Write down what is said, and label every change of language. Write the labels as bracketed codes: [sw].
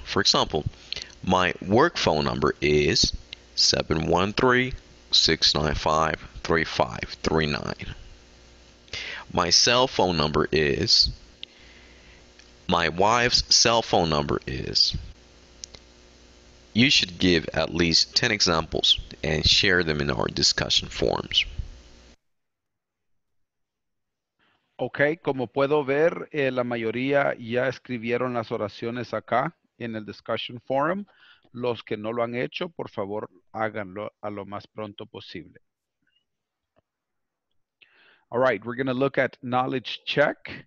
[en] For example, my work phone number is 713-695-3539. My cell phone number is, my wife's cell phone number is. You should give at least 10 examples and share them in our discussion forums. [es] Okay, como puedo ver, la mayoría ya escribieron las oraciones acá en el discussion forum. Los que no lo han hecho, por favor, háganlo a lo más pronto posible. [en] All right, we're going to look at knowledge check.